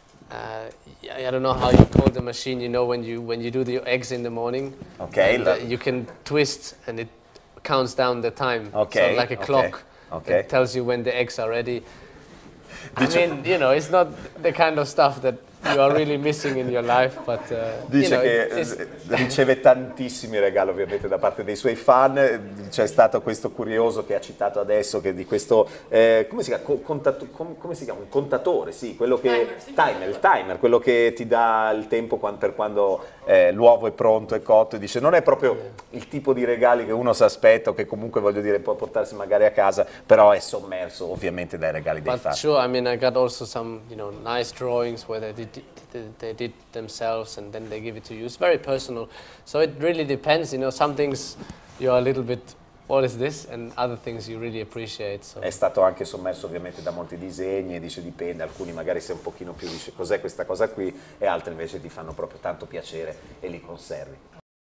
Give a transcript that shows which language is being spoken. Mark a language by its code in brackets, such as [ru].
[en] I don't know how you call the machine, you know, when you do the eggs in the morning. Okay. You can twist and it counts down the time. Okay. So like a clock. Okay. It tells you when the eggs are ready. I mean, it's not the kind of stuff that you are really missing in your life, but [it] dice, [en] you know, [it] che riceve tantissimi regali ovviamente da parte dei suoi fan. C'è stato questo curioso che ha citato adesso, che di questo come si chiama? Un contatore, sì, quello che [en] timer, [it] quello che ti dà il tempo per quando l'uovo è pronto, è cotto, e dice non è proprio il tipo di regali che uno si aspetta o che comunque, voglio dire, può portarsi magari a casa, però è sommerso ovviamente dai regali dei fan. [en] Sure, I mean I got also some, you know, nice drawings where they did themselves and then they give it to you. It's very personal, so it really depends, you know, some things you are a little bit what is this and other things you really appreciate. So [it] è stato anche sommerso ovviamente da molti disegni e dice dipende, alcuni magari sei un pochino più, dice cos'è questa cosa qui, e altri invece ti fanno proprio tanto piacere e li conservi.